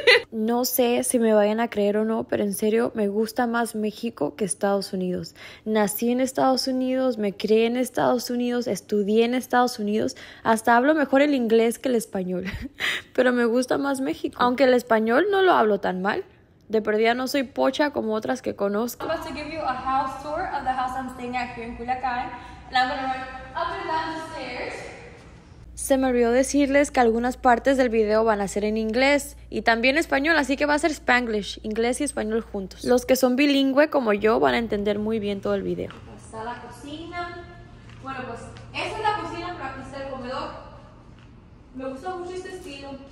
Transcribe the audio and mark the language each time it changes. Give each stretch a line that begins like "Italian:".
Spanish: No sé si me vayan a creer o no, pero en serio, me gusta más México que Estados Unidos. Nací en Estados Unidos, me crié en Estados Unidos, estudié en Estados Unidos, hasta hablo mejor el inglés que el español, pero me gusta más México. Aunque el español no lo hablo tan mal. De perdida no soy pocha como otras que conozco.
English: I'm about to give you a house tour of the house I'm staying at here in Culiacán. And I'm going to run up and down the stairs.
Spanish: Se me olvidó decirles que algunas partes del video van a ser en inglés y también español, así que va a ser Spanglish, inglés y español juntos. Los que son bilingüe como yo van a entender muy bien todo el video. Aquí está la cocina. Bueno, pues esa es la cocina, pero aquí está el comedor. Me gusta mucho este estilo.